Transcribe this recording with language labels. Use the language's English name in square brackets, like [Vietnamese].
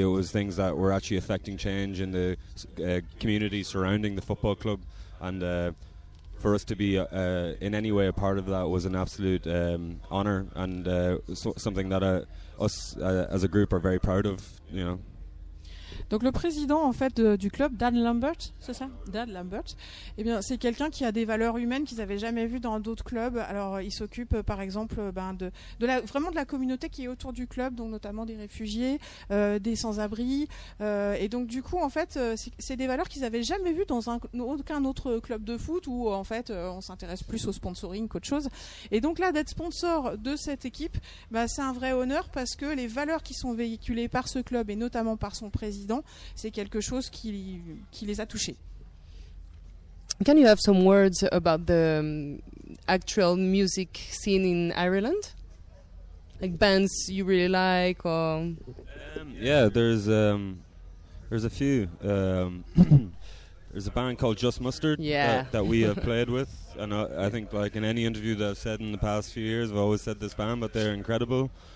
[English] It was things that were actually affecting change in the community surrounding the football club. And for us to be in any way a part of that was an absolute honor and something that us as a group are very proud of, you know. [French] Donc le président en fait du club, Dan Lambert, c'est ça, Dan Lambert. Eh bien, c'est quelqu'un qui a des valeurs humaines qu'ils n'avaient jamais vues dans d'autres clubs. Alors il s'occupe par exemple vraiment de la communauté qui est autour du club, donc notamment des réfugiés, des sans-abri. Et donc du coup en fait c'est des valeurs qu'ils n'avaient jamais vues dans aucun autre club de foot où en fait on s'intéresse plus au sponsoring qu'autre chose. Et donc là d'être sponsor de cette équipe, c'est un vrai honneur parce que les valeurs qui sont véhiculées par ce club et notamment par son président, c'est quelque chose qui les a touchés. [English] Can you have some words about the actual music scene in Ireland? Like bands you really like or Yeah, there's a few. There's a band called Just Mustard that we have played with, and I think like in any interview that I've said in the past few years, I've always said this band, but they're incredible.